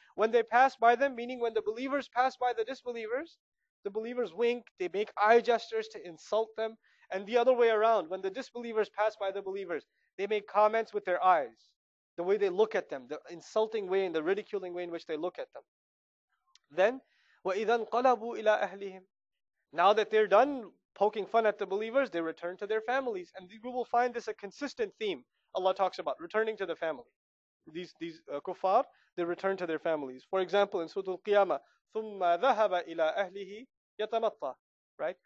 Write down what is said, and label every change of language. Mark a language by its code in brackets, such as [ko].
[en] When they pass by them, meaning when the believers pass by the disbelievers, the believers wink, they make eye gestures to insult them. And the other way around, when the disbelievers pass by the believers, they make comments with their eyes. The way they look at them, the insulting way and the ridiculing way in which they look at them. [ar] Then, وَإِذَا انْقَلَبُوا إِلَىٰ أَهْلِهِمْ. [en] Now that they're done poking fun at the believers, they return to their families. And we will find this a consistent theme. Allah talks about returning to the family. These kuffar, they return to their families. For example, in Surah Al-Qiyamah, [ar] ثُمَّ ذَهَبَ إِلَىٰ أَهْلِهِ يَتَمَطَّى. [en] Right?